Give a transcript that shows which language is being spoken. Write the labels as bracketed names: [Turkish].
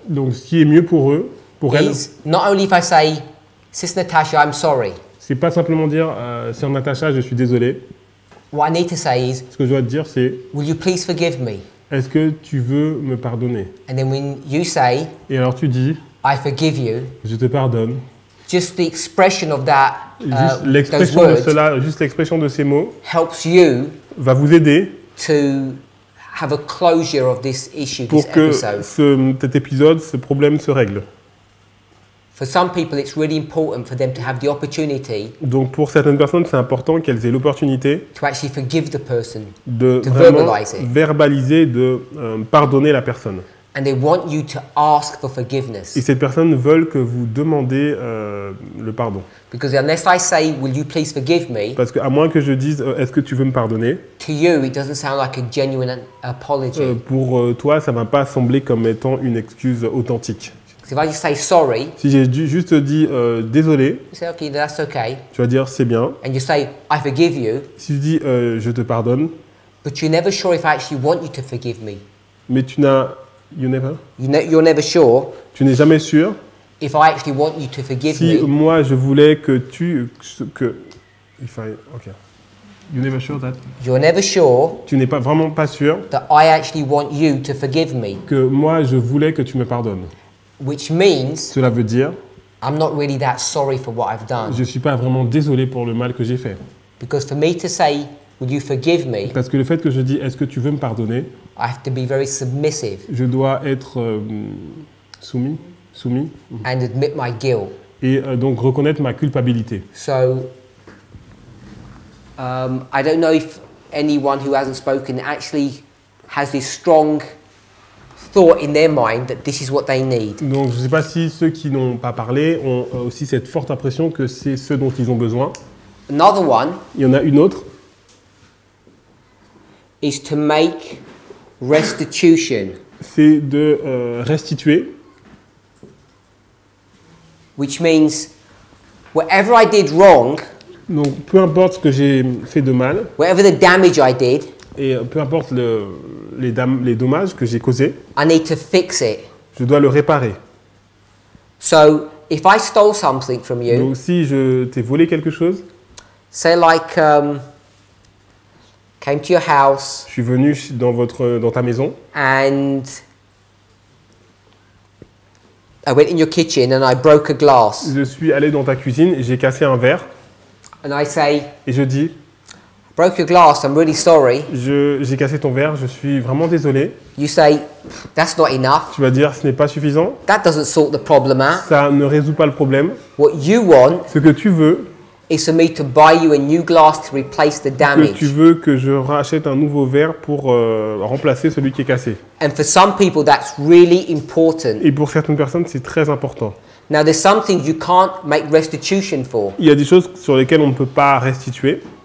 [French] Donc ce qui est mieux pour eux, pour elles. [English] Not only if I say, Sister Natasha, I'm sorry. [French] C'est pas simplement dire, Sœur Natasha, je suis désolé. [English] What I need to say is. [French] Ce que je dois te dire, c'est. [English] Will you please forgive me? [French] Est-ce que tu veux me pardonner? [English] And then when you say, [French] et alors tu dis, [English] I forgive you. [French] Je te pardonne. [English] Just the expression of that, [French] juste l'expression [English] those words [French] de cela, juste l'expression de ces mots, [English] helps you [French] va vous aider [English] to have a closure of this issue, [French] pour [English] this [French] que [English] episode. [French] Cet épisode, ce problème se règle. [English] For some people, it's really important for them to have the opportunity. [French] Donc, pour certaines personnes, c'est important qu'elles aient l'opportunité [English] to actually forgive the person, [French] de [English] to [French] vraiment [English] verbalize it. [French] Verbaliser, de pardonner la personne. [English] And they want you to ask for forgiveness. [French] Et ces personnes veulent que vous demandez le pardon. [English] Because unless I say, will you please forgive me? [French] Parce que à moins que je dise, est-ce que tu veux me pardonner? [English] To you, it doesn't sound like a genuine apology. [French] Pour toi, ça ne va pas sembler comme étant une excuse authentique. [English] If I say sorry, [French] si j'ai juste dit désolé, [English] you say, okay, that's okay. [French] Tu vas dire c'est bien. [English] And you say, I forgive you. [French] Si tu dis je te pardonne. [English] But you're never sure if I actually want you to forgive me. [French] Mais tu n'as [English] You're never sure. [French] Tu n'es jamais sûr. [English] If I actually want you to forgive [French] si [English] me. [French] Si moi je voulais que tu que [English] if I okay. You're never sure that. You're never sure. [French] Tu n'es pas vraiment pas sûr. [English] That I actually want you to forgive me. [French] Que moi je voulais que tu me pardonnes. [English] Which means. [French] Cela veut dire. [English] I'm not really that sorry for what I've done. [French] Je suis pas vraiment désolé pour le mal que j'ai fait. [English] Because for me to say, would you forgive me? [French] Parce que le fait que je dis, est-ce que tu veux me pardonner? [English] I have to be very submissive. [French] Je dois être soumis. [English] And admit my guilt. [French] Et donc reconnaître ma culpabilité. [English] So, I don't know if anyone who hasn't spoken actually has this strong thought in their mind that this is what they need. [French] Donc je ne sais pas si ceux qui n'ont pas parlé ont aussi cette forte impression que c'est ce dont ils ont besoin. [English] Another one. [French] Il y en a une autre. [English] Is to make restitution. [French] C'est de restituer. [English] Which means whatever I did wrong. [French] Donc peu importe ce que j'ai fait de mal. [English] Whatever the damage I did. [French] Et peu importe les dommages que j'ai causés. [English] I need to fix it. [French] Je dois le réparer. [English] So if I stole something from you. [French] Donc si je t'ai volé quelque chose. [English] Say like. Came to your house. [French] Je suis venu dans ta maison. [English] And I went in your kitchen and I broke a glass. [French] Je suis allé dans ta cuisine et j'ai cassé un verre. [English] And I say. [French] Et je dis. [English] I broke your glass. I'm really sorry. [French] J'ai cassé ton verre. Je suis vraiment désolé. [English] You say that's not enough. [French] Tu vas dire ce n'est pas suffisant. [English] That doesn't sort the problem out. [French] Ça ne résout pas le problème. [English] What you want. [French] Ce que tu veux. [English] Is for me to buy you a new glass to replace the damage. [French] Que tu veux que je rachète un nouveau verre pour remplacer celui qui est cassé. [English] And for some people, that's really important. [French] Et pour certaines personnes, c'est très important. [English] Now there's some things you can't make restitution for. [French] Il y a des choses sur lesquelles on ne peut pas restituer.